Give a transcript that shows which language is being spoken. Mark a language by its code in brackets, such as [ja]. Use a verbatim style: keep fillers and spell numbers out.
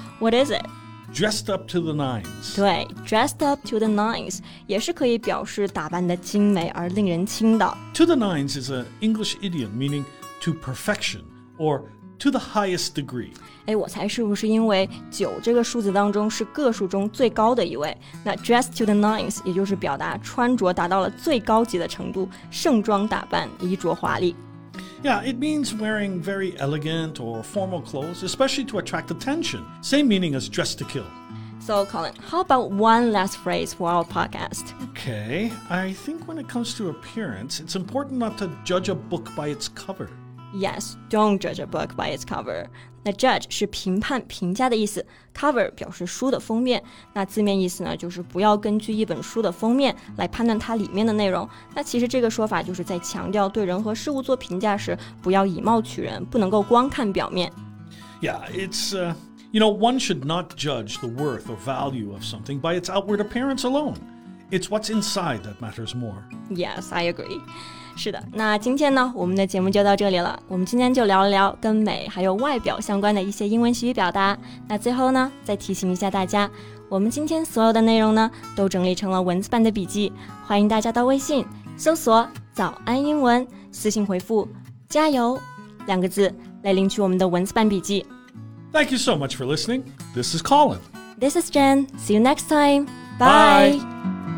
[en] What is it? Dressed up to the nines. [zh] 对 , [en] dressed up to the nines, [zh] 也是可以表示打扮得精美而令人倾倒。 [en] To the nines is an English idiom meaning to perfection, or to the highest degree. [zh] 哎，我猜是不是因为九这个数字当中是个数中最高的一位？那 [en] dressed to the nines [zh] 也就是表达穿着达到了最高级的程度，盛装打扮，衣着华丽。 [en] Yeah, it means wearing very elegant or formal clothes, especially to attract attention. Same meaning as dressed to kill. So, Colin, how about one last phrase for our podcast? Okay, I think when it comes to appearance, it's important not to judge a book by its cover. Yes, don't judge a book by its cover. [zh] 那 judge 是评判、评价的意思 ，cover 表示书的封面。那字面意思呢，就是不要根据一本书的封面来判断它里面的内容。那其实这个说法就是在强调对人和事物做评价时，不要以貌取人，不能够光看表面。 [en] Yeah, it's, uh, you know, one should not judge the worth or value of something by its outward appearance alone. It's what's inside that matters more. Yes, I agree. [zh] 是的，那今天呢，我们的节目就到这里了。我们今天就聊了聊跟美还有外表相关的一些英文习语表达。那最后呢，再提醒一下大家，我们今天所有的内容呢，都整理成了文字版的笔记，欢迎大家到微信搜索“早安英文”，私信回复“加油”两个字来领取我们的文字版笔记。 [en] Thank you so much for listening. This is Colin. This is Jen. See you next time. Bye. Bye.